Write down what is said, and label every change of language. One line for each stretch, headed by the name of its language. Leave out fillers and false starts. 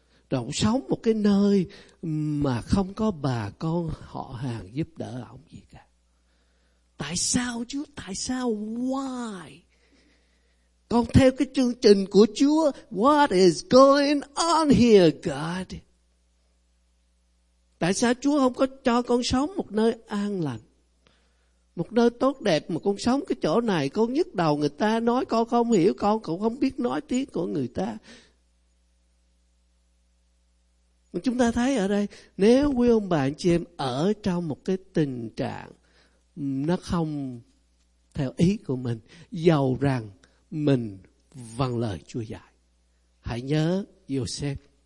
Vietnamese: ông sống một cái nơi mà không có bà con họ hàng giúp đỡ ông gì cả. Tại sao Chúa? Tại sao?
English: Why?
Vietnamese: Con theo cái chương trình của Chúa.
English: What is going on here, God?
Vietnamese: Tại sao Chúa không có cho con sống một nơi an lành, một nơi tốt đẹp mà con sống cái chỗ này, con nhức đầu người ta nói, con không hiểu, con cũng không biết nói tiếng của người ta. Mà chúng ta thấy ở đây, nếu quý ông bà anh chị em ở trong một cái tình trạng nó không theo ý của mình, dầu rằng mình vâng lời Chúa dạy, hãy nhớ Joseph.